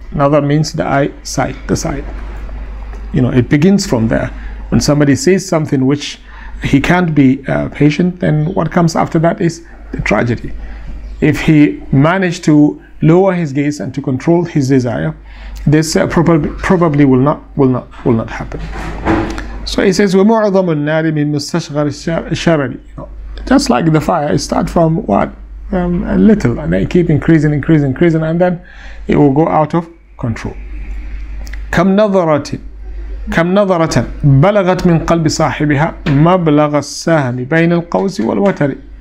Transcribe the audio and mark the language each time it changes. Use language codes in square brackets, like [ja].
[en] Nazar means the eye sight, the sight. You know, it begins from there. When somebody sees something which he can't be patient, then what comes after that is the tragedy. If he managed to lower his gaze and to control his desire, this probably will not happen. [ar] So he says, وَمُعْظَمُ النَّارِ مِنْ مُسْتَشْغَرِ الشَّرَرِ. [en] Just like the fire, it starts from what? A little, and then it keeps increasing, and then it will go out of control. [ar] كَمْ نَظَرَةٍ بَلَغَتْ مِنْ قَلْبِ صَاحِبِهَا مَبْلَغَ السَّهْمِ بَيْنَ الْقَوْسِ وَالْوَتَرِ.